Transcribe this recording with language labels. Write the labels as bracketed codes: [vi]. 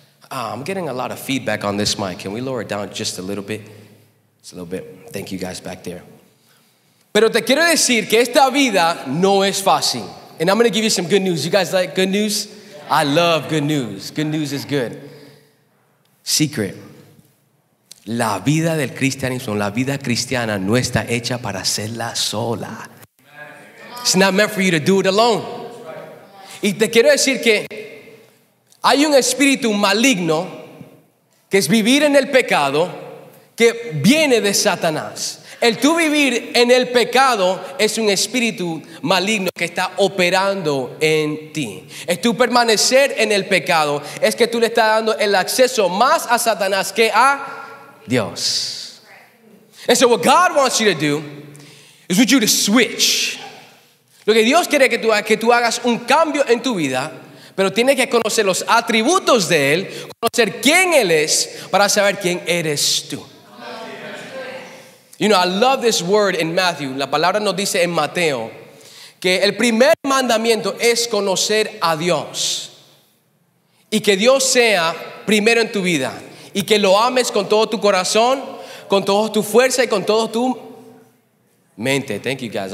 [en] I'm getting a lot of feedback on this mic. Can we lower it down just a little bit? It's a little bit. Thank you guys back there. [es] Pero te quiero decir que esta vida no es fácil. [en] And I'm going to give you some good news. You guys like good news? I love good news. Good news is good. Secret. [es] La vida del cristianismo, la vida cristiana no está hecha para hacerla sola. [en] It's not meant for you to do it alone. [es] Y te quiero decir que hay un espíritu maligno que es vivir en el pecado que viene de Satanás. El tú vivir en el pecado es un espíritu maligno que está operando en ti. Es tú permanecer en el pecado es que tú le estás dando el acceso más a Satanás que a Dios. [en] And so what God wants you to do is for you to switch. [es] Lo que Dios quiere que tú hagas un cambio en tu vida. Pero tienes que conocer los atributos de Él, conocer quién Él es para saber quién eres tú. [en] You know, I love this word in Matthew. [es] La palabra nos dice en Mateo que el primer mandamiento es conocer a Dios y que Dios sea primero en tu vida y que lo ames con todo tu corazón, con toda tu fuerza y con todo tu mente. [en] Thank you guys.